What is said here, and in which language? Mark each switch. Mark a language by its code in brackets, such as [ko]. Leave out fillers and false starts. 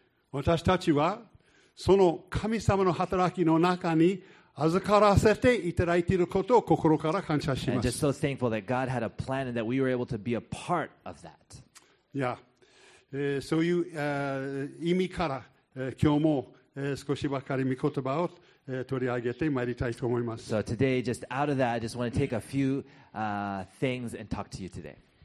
[ja] 私たちはその神様の働きの中に預からせていただいていることを心から感謝します。 [en] And just so thankful that God had a plan and that we were able to be a part of that. Yeah. [ja] そういう意味から今日も少しばかり御言葉を取り上げてまいりたいと思います。 [en] So today, just out of that, I just want to take a few things and talk to you today.